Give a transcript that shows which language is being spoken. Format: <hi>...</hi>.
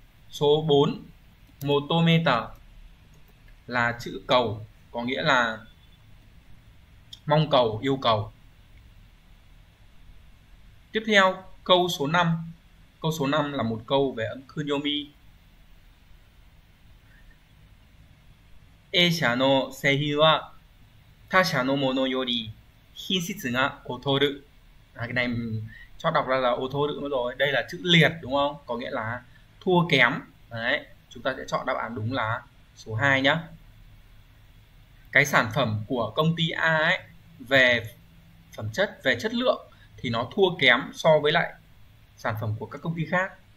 <vi>Số 4, Motometer là chữ cầu, có nghĩa là mong cầu, yêu cầu. Tiếp theo, câu số 5. Câu số 5 là một câu về âm Kunyomi.</vi> <ja>A 社の製品は他社のものより品質が劣る。</ja> <vi>À, cái này cho đọc ra là ô thô đúng rồi. Đây là chữ liệt đúng không? Có nghĩa là thua kém. Đấy, chúng ta sẽ chọn đáp án đúng là số 2 nhé. Cái sản phẩm của công ty A ấy, về phẩm chất, về chất lượng thì nó thua kém so với lại sản phẩm của các công ty khác.</vi>